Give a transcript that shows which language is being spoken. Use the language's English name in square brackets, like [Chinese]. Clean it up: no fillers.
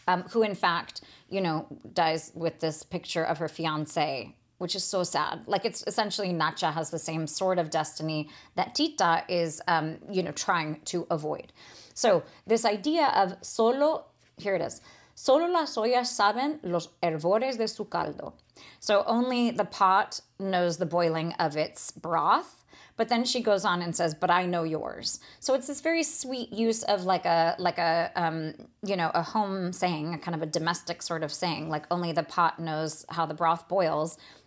[English] who in fact, you know, dies with this picture of her fiancé, which is so sad. Like, it's essentially Nacha has the same sort of destiny that Tita is, you know, trying to avoid. So this idea of solo, here it is. [Spanish] Solo las ollas saben los hervores de su caldo. [English] So only the pot knows the boiling of its broth. But then she goes on and says, but I know yours. So it's this very sweet use of a home saying, a kind of a domestic sort of saying, like only the pot knows how the broth boils.